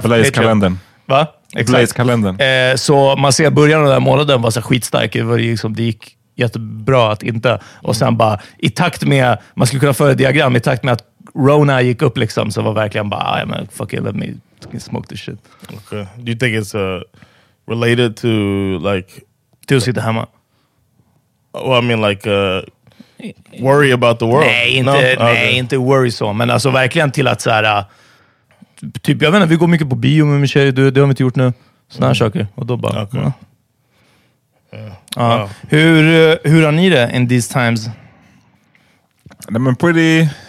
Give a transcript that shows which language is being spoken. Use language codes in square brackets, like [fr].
[sv] Blaze-kalendern. Va? Blaze-kalendern. Så man ser början av den här månaden var så skitstark. Det var liksom, det gick jättebra att inte. Och sen bara, i takt med, man skulle kunna föra ett diagram, i takt med att Rona gick upp liksom, så var verkligen bara, [en] I mean, fuck it, let me smoke this shit. Okay. Do you think it's related to like... [sv] Till att sitta hemma. [en] Well, I mean like worry about the world. [sv] Nej, inte worry så. Men alltså verkligen till att så här, typ, jag vet inte, vi går mycket på bio med min tjej. Det har vi inte gjort nu. Såna här saker. Och då bara, okay. Hur har ni det [en] in these times? [sv] Nej, men pretty...